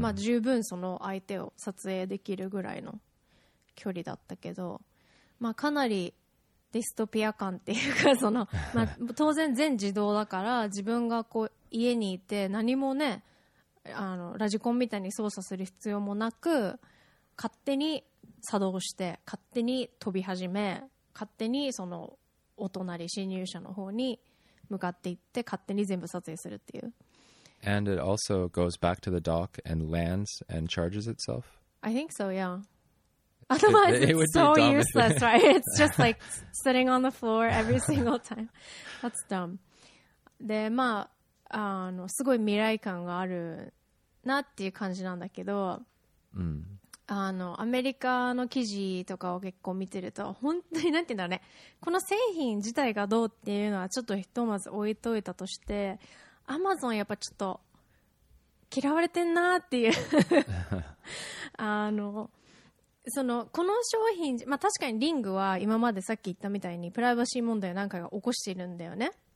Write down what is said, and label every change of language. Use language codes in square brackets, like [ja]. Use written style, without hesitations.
[ja] まあ十分その相手を撮影できるぐらいの距離だったけど、まあかなりディストピア感っていうかその、まあ、当然全自動だから自分がこう家にいて何もね、ラジコンみたいに操作する必要もなく勝手に作動して勝手に飛び始め勝手にそのお隣侵入者の方に向かっていって勝手に全部撮影するっていう。 [en] And it also goes back to the dock and lands and charges itself? I think so, yeah. Otherwise it's so useless, right? It's just like sitting on the floor every single time. That's dumb. [ja] で、まあすごい未来感があるなっていう感じなんだけど、うん、アメリカの記事とかを結構見てると本当になんていうんだろうね、この製品自体がどうっていうのはちょっとひとまず置いといたとして、アマゾンやっぱちょっと嫌われてんなっていうそのこの商品、まあ、確かにリングは今までさっき言ったみたいにプライバシー問題なんかが起こしているんだよね。